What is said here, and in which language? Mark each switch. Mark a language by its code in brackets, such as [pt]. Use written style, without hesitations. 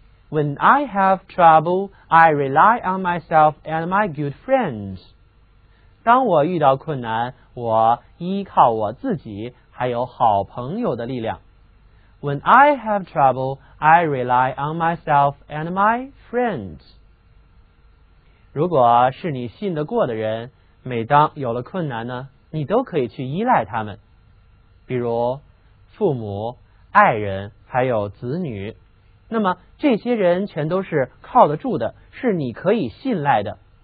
[en] When I have trouble, I rely on myself and my good friends. [zh] 当我遇到困难，我依靠我自己还有好朋友的力量。 [en] When I have trouble, I rely on myself and my friends. [zh] 如果是你信得过的人，每当有了困难呢，你都可以去依赖他们，比如父母、爱人还有子女。那么这些人全都是靠得住的，是你可以信赖的。